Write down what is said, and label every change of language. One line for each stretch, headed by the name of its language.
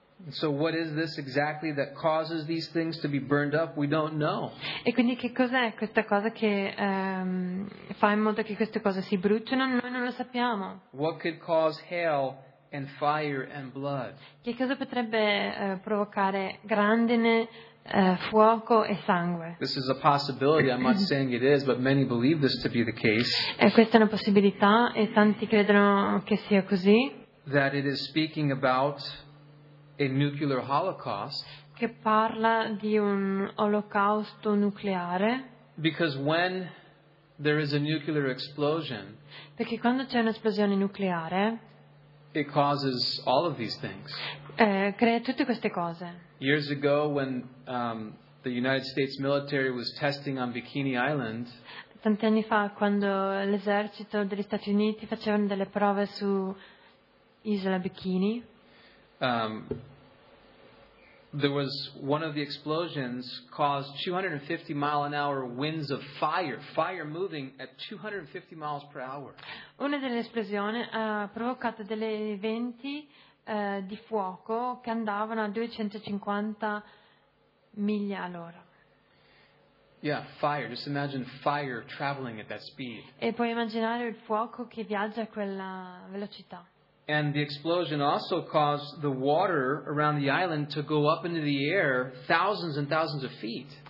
English: So what is this exactly that causes these things to be burned up? We don't know.
Italian: E quindi che cos'è questa cosa che fa in modo che queste cose si bruciano? Noi non lo sappiamo.
English: What could cause hail and fire and blood?
Italian: Che cosa potrebbe provocare grandine, fuoco e sangue?
English: This is a possibility. I'm not saying it is, but many believe this to be the case.
Italian: E questa è una possibilità e tanti credono che sia così.
English: That it is speaking about a nuclear holocaust,
Italian: che parla di un olocausto nucleare.
English: Because when there is a nuclear explosion,
Italian: perché quando c'è un'esplosione nucleare,
English: it causes all of these things.
Italian: Crea tutte queste cose.
English: Years ago, when the United States military was testing on Bikini Island,
Italian: tanti anni fa quando l'esercito degli Stati Uniti facevano delle prove su Isola Bikini,
English: There was one of the explosions caused 250 mile an hour winds of fire, fire moving at 250 miles per hour.
Italian: Una delle esplosioni ha provocato delle venti di fuoco che andavano a 250 miglia all'ora.
English: Yeah, fire. Just imagine fire traveling at that speed.
Italian: E puoi immaginare il fuoco che viaggia a quella velocità.
English: And the explosion also caused the water around the island to go up into the air thousands and thousands of feet.